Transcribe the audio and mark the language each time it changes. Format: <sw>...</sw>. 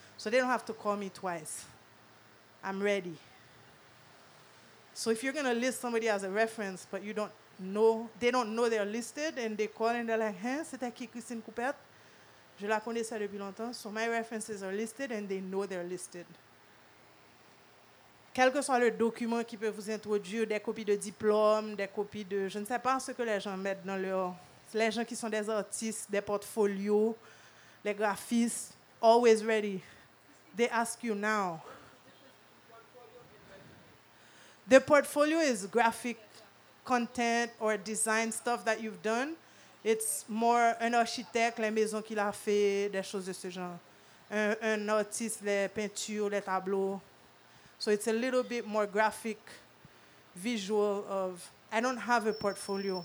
<en>So they don't have to call me twice. I'm ready. So if you're going to list somebody as a reference, but you don't know, they don't know they're listed, and they call and they're like,</en> <fr>hein, c'était qui Christine Coupette? Je la connaissais depuis longtemps.</fr> <en>So my references are listed, and they know they're listed.</en> <fr>Quel que soit le document qui peut vous introduire, des copies de diplômes, des copies de... Je ne sais pas ce que les gens mettent dans leur... Les gens qui sont des artistes, des portfolios, les graphistes,</fr> <en>always ready. They ask you now. The portfolio is graphic content or design stuff that you've done. It's more</en> <fr>un architecte, les maisons qu'il a fait, des choses de ce genre. Un artiste, les peintures, les tableaux.</fr> <en>So it's a little bit more graphic, visual of, I don't have a portfolio.</en>